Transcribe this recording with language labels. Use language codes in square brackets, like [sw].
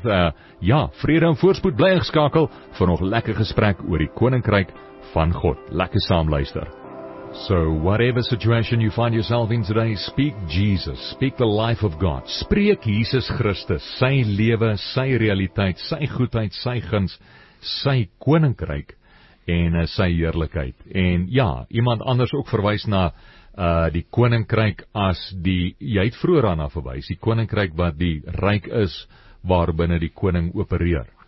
[af] Vrede en voorspoed, bly ingeskakel vir nog lekker gesprek oor die koninkryk van God. Lekker saam luister. [en] So, whatever situation you find yourself in today, speak Jesus, speak the life of God. [af] Spreek Jesus Christus, sy lewe, sy realiteit, sy goedheid, sy guns, sy koninkryk en sy heerlikheid. En ja, iemand anders ook verwys na die koninkryk as die, jy het vroeër aan verwys, die koninkryk wat die ryk is waarbinne die koning opereer.